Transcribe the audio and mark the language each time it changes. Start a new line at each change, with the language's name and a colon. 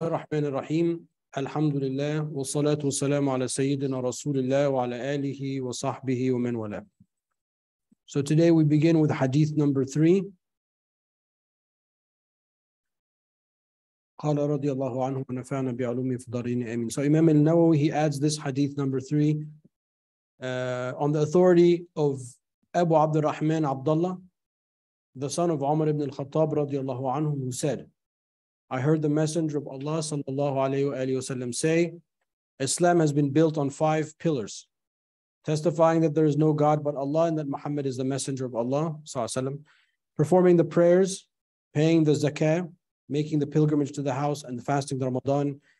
Arabic: الرحمن الرحيم الحمد لله والصلاة والسلام على سيدنا رسول الله وعلى آله وصحبه ومن والاه.
English: So today we begin with hadith number 3.
Arabic: قال رضي الله عنه ونفعنا بعلومه في دارين آمين.
English: So Imam al-Nawawi, he adds this hadith number 3 on the authority of Abu Abd al-Rahman Abdullah, the son of Umar ibn al-Khattab
Arabic: رضي الله عنه,
English: who said, I heard the Messenger of Allah sallallahu alayhi wa sallam say, Islam has been built on 5 pillars, testifying that there is no God but Allah and that Muhammad is the Messenger of Allah sallallahu alayhi wa sallam, performing the prayers, paying the zakah, making the pilgrimage to the house, and fasting the Ramadan.